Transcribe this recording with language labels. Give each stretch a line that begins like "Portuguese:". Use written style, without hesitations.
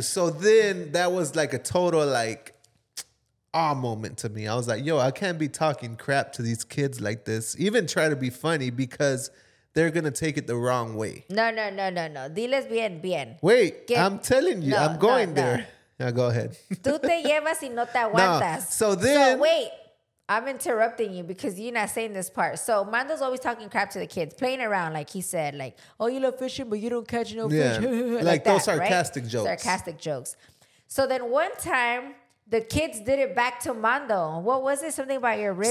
English: So then that was like a total like, awe moment to me. I was like, yo, I can't be talking crap to these kids like this. Even try to be funny because they're going to take it the wrong way.
Spanish: No. Diles bien, bien.
English: Wait, I'm telling you, no, I'm going no, there. No. Now go ahead.
Spanish: Tú te llevas y no te aguantas.
English: So then. So wait. I'm interrupting you because you're not saying this part. So Mando's always talking crap to the kids, playing around, like he said, like, oh, you love fishing, but you don't catch no fish. like those that, sarcastic right? jokes. Sarcastic jokes. So then one time, the kids did it back to Mando. What was it? Something about your ribs?